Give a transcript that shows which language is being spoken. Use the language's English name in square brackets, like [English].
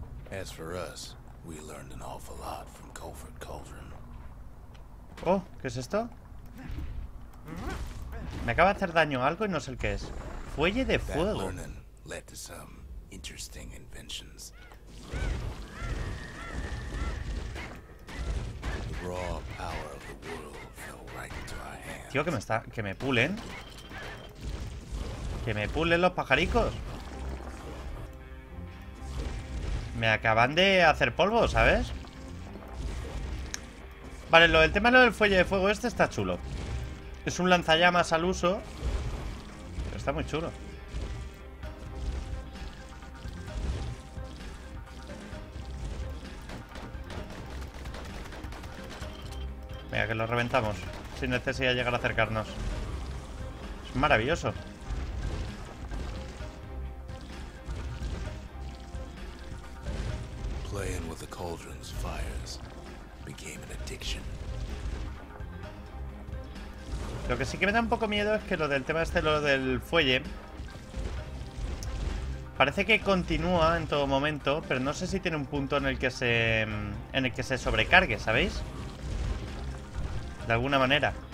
[English] As for us, we learned an awful lot from Coldfort Cauldron. [Spanish] Oh, ¿qué es esto? Me acaba de hacer daño algo y no sé el qué es. Fuelle de fuego. [English] Led to some interesting inventions. The raw power of the world fell right into our hands. [Spanish] Tío, que me pulen. Que me pulen los pajaricos. Me acaban de hacer polvo, ¿sabes? Vale, el tema del fuelle de fuego este está chulo. Es un lanzallamas al uso. Pero está muy chulo. Venga, que lo reventamos. Sin necesidad de llegar a acercarnos. Es maravilloso. [English] Playing with the cauldron's fires became an addiction. [Spanish] Lo que sí que me da un poco miedo es que lo del tema este, lo del fuelle, Parece que continúa en todo momento, pero no sé si tiene un punto en el que se sobrecargue, ¿sabéis? De alguna manera.